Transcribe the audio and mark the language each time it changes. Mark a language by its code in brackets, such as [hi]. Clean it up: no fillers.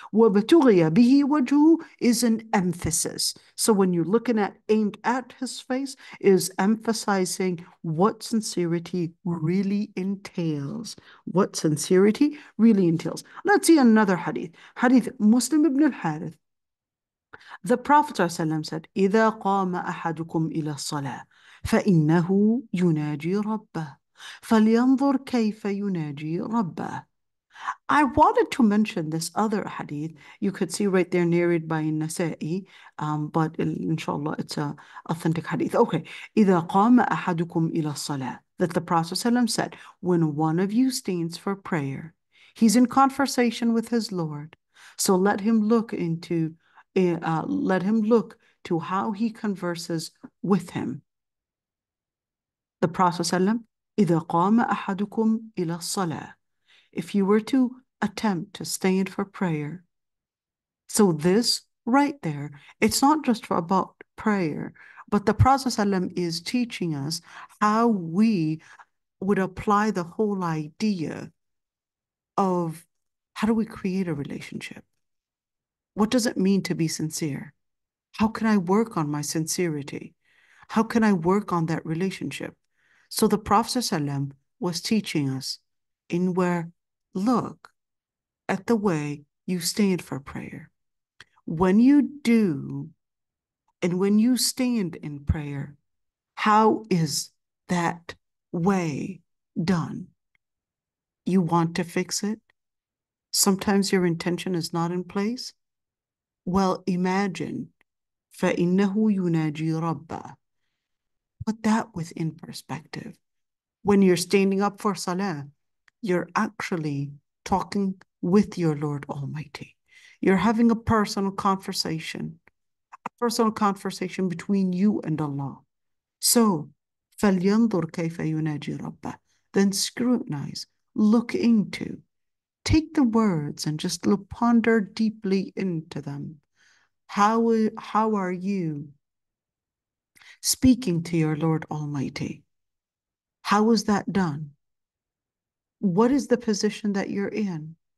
[ar] وَبَتُغِيَ بِهِ وَجْهُ [en] is an emphasis. So when you're looking at aimed at his face, is emphasizing what sincerity really entails. What sincerity really entails. Let's see another hadith. Hadith Muslim ibn al-Harith. The Prophet ﷺ said, [ar] إِذَا قَامَ أَحَدُكُمْ إِلَى الصَّلَاةِ فَإِنَّهُ يُنَاجِي رَبَّهِ فَلْيَنظُرْ كَيْفَ يُنَاجِي رَبَّهِ. [en] I wanted to mention this other hadith. You could see right there narrated by Nasa'i, but inshallah it's an authentic hadith. Okay. [ar] إِذَا قَامَ أَحَدُكُمْ إِلَى الصَّلَاةِ. [en] That the Prophet ﷺ said, when one of you stands for prayer, He's in conversation with his Lord. So let him look into, let him look to how he converses with him. The Prophet ﷺ, [ar] إِذَا قَامَ أَحَدُكُمْ إِلَى الصَّلَاةِ. [en] If you were to attempt to stand for prayer. So this right there, it's not just for about prayer, but the Prophet ﷺ is teaching us how we would apply the whole idea of how do we create a relationship? What does it mean to be sincere? How can I work on my sincerity? How can I work on that relationship? So the Prophet ﷺ was teaching us in where, look at the way you stand for prayer. When you do, and when you stand in prayer, how is that way done? You want to fix it? Sometimes your intention is not in place? Well, imagine, [ar] فَإِنَّهُ يُنَاجِي رَبَّهُ. [en] Put that within perspective. When you're standing up for salah, you're actually talking with your Lord Almighty. You're having a personal conversation. Personal conversation between you and Allah. [ar] So, فَلْيَنْظُرْ كَيْفَ يُنَاجِي رَبَّهُ. [en] Then scrutinize, look into, take the words and just look, ponder deeply into them. How are you speaking to your Lord Almighty? How is that done? What is the position that you're in?